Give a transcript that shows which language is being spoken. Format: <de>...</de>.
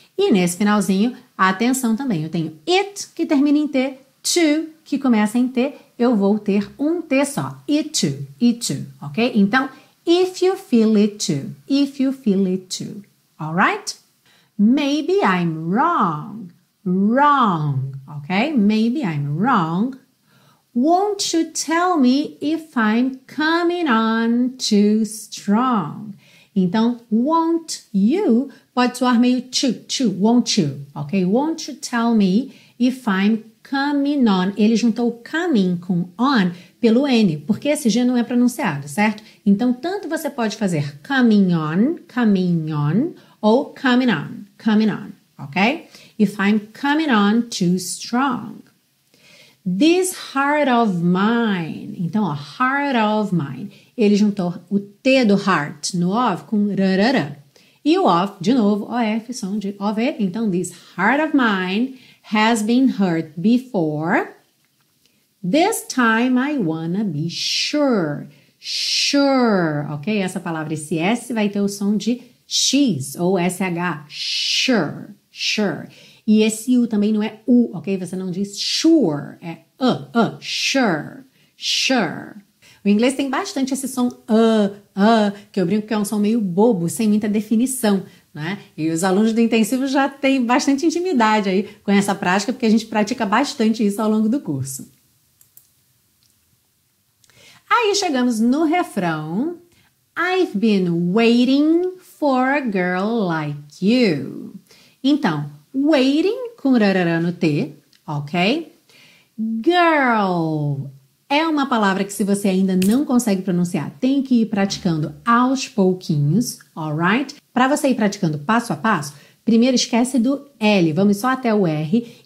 <pt>E nesse finalzinho, atenção também, eu tenho it que termina em T, to que começa em T, eu vou ter um T só,</pt> <en>it too,</en> <pt>ok?</pt> <en>Então, if you feel it too, if you feel it too, alright? Maybe I'm wrong, wrong, ok? Maybe I'm wrong. Won't you tell me if I'm coming on too strong?</en> <pt>Então,</pt> <en>won't you</en> <pt>pode soar meio to, won't you, ok?</pt> <en>Won't you tell me if I'm coming on?</en> <pt>Ele juntou coming com on pelo N, porque esse G não é pronunciado, certo? Então, tanto você pode fazer</pt> <en>coming on,</en> <pt>coming on, ou coming on, ok?</pt> <en>If I'm coming on too strong. This heart of mine.</en> <pt>Então, ó,</pt> <en>heart of mine.</en> <pt>Ele juntou o T do heart no of com rarara. E o of, de novo, OF, som de OV.</pt> <en>Então, this heart of mine has been hurt before. This time I wanna be sure. Sure, ok?</en> <pt>Essa palavra, esse S, vai ter o som de X ou SH. Sure, sure. E esse U também não é U, ok? Você não diz sure, é sure, sure. O inglês tem bastante esse som que eu brinco que é um som meio bobo, sem muita definição, né? E os alunos do intensivo já têm bastante intimidade aí com essa prática, porque a gente pratica bastante isso ao longo do curso. Aí chegamos no refrão.</pt> <en>I've been waiting for a girl like you.</en> <pt>Então, waiting com rarara no T, ok? Girl é uma palavra que, se você ainda não consegue pronunciar, tem que ir praticando aos pouquinhos,</pt> <en>alright?</en> <pt>Para você ir praticando passo a passo, primeiro esquece do L, vamos só até o R.</pt>